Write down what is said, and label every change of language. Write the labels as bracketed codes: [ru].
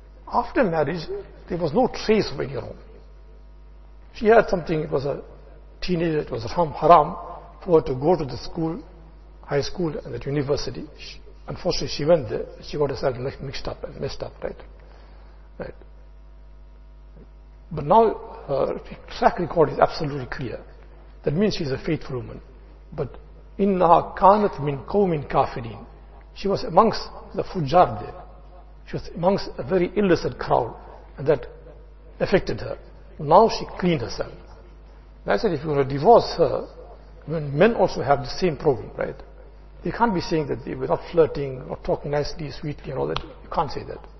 [en] After marriage, there was no trace of any wrong. She had something, it was a teenager, it was haram for her to go to the school, high school and that university. Unfortunately, she went there. She got herself mixed up and messed up, right? Right. But now her track record is absolutely clear. That means she's a faithful woman. But [ar] إِنَّهَا كَانَتْ مِنْ قَوْمٍ كَافِرِينَ. [en] She was amongst the fujar there. She was amongst a very illicit crowd and that affected her. Now she cleaned herself. And I said, if you're going to divorce her, when men also have the same problem, right? They can't be saying that they're not flirting or talking nicely, sweetly and all that. You can't say that.